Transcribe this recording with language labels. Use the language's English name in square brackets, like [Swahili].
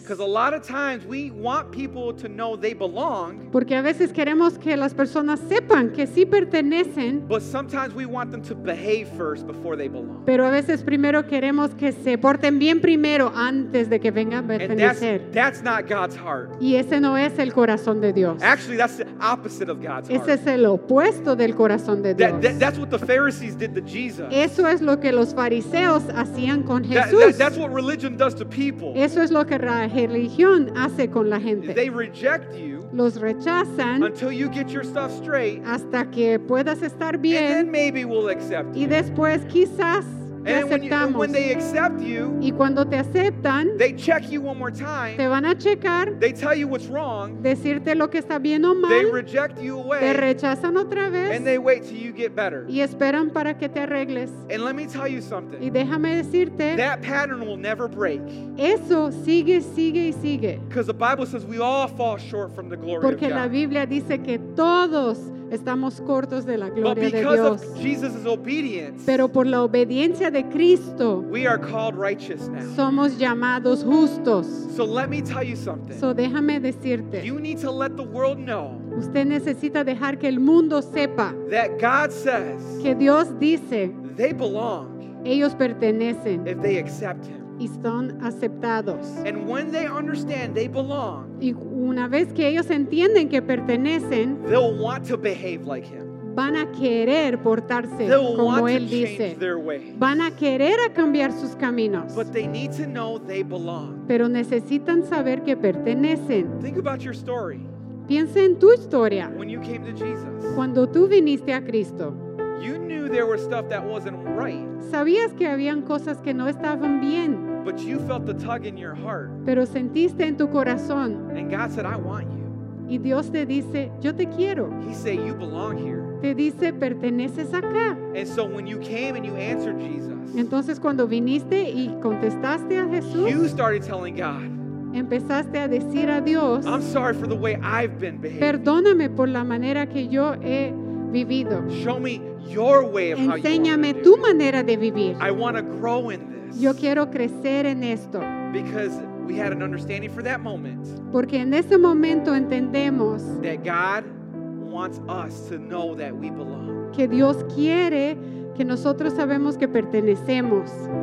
[English] Because a lot of times we want people to know they belong. [Spanish] Porque a veces queremos que las personas sepan que sí pertenecen. [English] But sometimes we want them to behave first before they belong. [Spanish] Pero a veces primero queremos que se porten bien primero antes de que vengan a pertenecer. [English] And that's not God's heart. [Spanish] Y ese no es el corazón de Dios. [English] Actually, that's the opposite of God's heart. [Spanish] Ese es el opuesto del corazón de Dios. [English] That's what the Pharisees did to Jesus. [Spanish] Eso es lo que los fariseos hacían con Jesús. [English] That's what religion does to people. [Spanish] Eso es lo que la religión hace con la gente. [English] They reject you. [Spanish] Los rechazan. [English] Until you get your stuff straight. [Spanish] Hasta que puedas estar bien. [English] And then maybe we'll accept you. [Spanish] Y después quizás te aceptamos. [English] When they accept you, [Spanish] y cuando te aceptan, [English] they check you one more time. [Spanish] Te van a checar. [English] They tell you what's wrong. [Spanish] Decirte lo que está bien o mal. [English] They reject you away. [Spanish] Te rechazan otra vez. [English] And they wait till you get better. [Spanish] Y esperan para que te arregles. [English] And let me tell you something. [Spanish] Y déjame decirte. [English] That pattern will never break. [Spanish] Eso sigue, sigue y sigue. [English] Because the Bible says we all fall short from the glory [Spanish] Porque [English] of God. [Spanish] Porque la Biblia dice que todos estamos cortos de la gloria de Dios. [English] But because of Jesus' obedience, [Spanish] pero por la obediencia de Cristo, [English] we are called righteous now. [Spanish] Somos llamados justos. [English] So let me tell you something. [Spanish] So déjame decirte. [English] You need to let the world know. [Spanish] Usted necesita dejar que el mundo sepa. [English] That God says. [Spanish] Que Dios dice. [English] They belong. [Spanish] Ellos pertenecen. [English] If they accept Him. [Spanish] Y son aceptados. [English] And when they understand they belong, [Spanish] y una vez que ellos entienden que pertenecen, [English] they'll want to behave like Him. [Spanish] Van a querer portarse [English] they'll [Spanish] como [English] want [Spanish] Él [English] to [Spanish] dice. [English] Change their ways. [Spanish] Van a querer a cambiar sus caminos. [English] But they need to know they belong. [Spanish] Pero necesitan saber que pertenecen. [English] Think about your story. [Spanish] Piensa en tu historia. [English] When you came to Jesus. [Spanish] Cuando tú viniste a Cristo. [English] You knew there was stuff that wasn't right. [Spanish] Sabías que habían cosas que no estaban bien. [English] But you felt the tug in your heart. [Spanish] Pero sentiste en tu corazón. [English] And God said, I want you. [Spanish] Y Dios te dice, yo te quiero. [English] He said, you belong here. [Spanish] Te dice, perteneces acá. [English] And so when you came and you answered Jesus, [Spanish] entonces cuando viniste y contestaste a Jesús, [English] you started telling God, [Spanish] empezaste a decir a Dios, [English] I'm sorry for the way I've been behaving. [Spanish] Perdóname por la manera que yo he vivido. [English] Show me your way of [Spanish] Enséñame [English] how you [Spanish] tu [English] do. [Spanish] Manera de vivir. [English] I want to grow in this. [Spanish] Yo quiero crecer en esto. [English] Because we had an understanding for that moment. [Spanish] Porque en ese momento entendemos [English] that God wants us to know that we belong. [Spanish] Que Dios quiere que nosotros sabemos que pertenecemos.